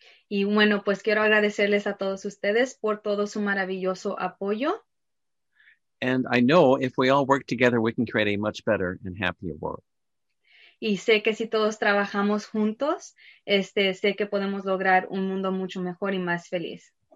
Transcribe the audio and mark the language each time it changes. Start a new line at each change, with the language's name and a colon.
Spanish: Y bueno, pues quiero agradecerles a todos ustedes por todo su maravilloso apoyo.
English: And I know if we all work together, we can create a much better and happier world.
Spanish: Y sé que si todos trabajamos juntos, sé que podemos lograr un mundo mucho mejor y más feliz.